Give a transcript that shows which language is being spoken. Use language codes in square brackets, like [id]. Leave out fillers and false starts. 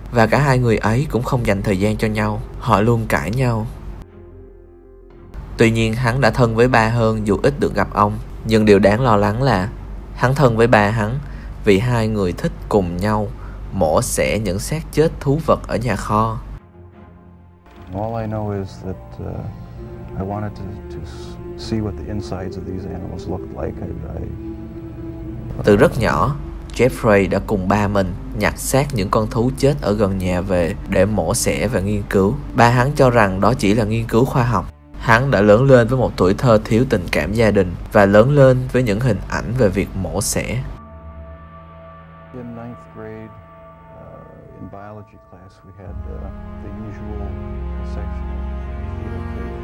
[vi] Và cả hai người ấy cũng không dành thời gian cho nhau. Họ luôn cãi nhau. Tuy nhiên hắn đã thân với ba hơn dù ít được gặp ông. Nhưng điều đáng lo lắng là hắn thân với ba hắn vì hai người thích cùng nhau mổ xẻ những xác chết thú vật ở nhà kho. [en] All I know is that I wanted to see what the insides of these animals looked like. [vi] Từ rất nhỏ, Jeffrey đã cùng ba mình nhặt xác những con thú chết ở gần nhà về để mổ xẻ và nghiên cứu. Ba hắn cho rằng đó chỉ là nghiên cứu khoa học. Hắn đã lớn lên với một tuổi thơ thiếu tình cảm gia đình và lớn lên với những hình ảnh về việc mổ xẻ. [en] In ninth grade, in biology class, we had the usual section.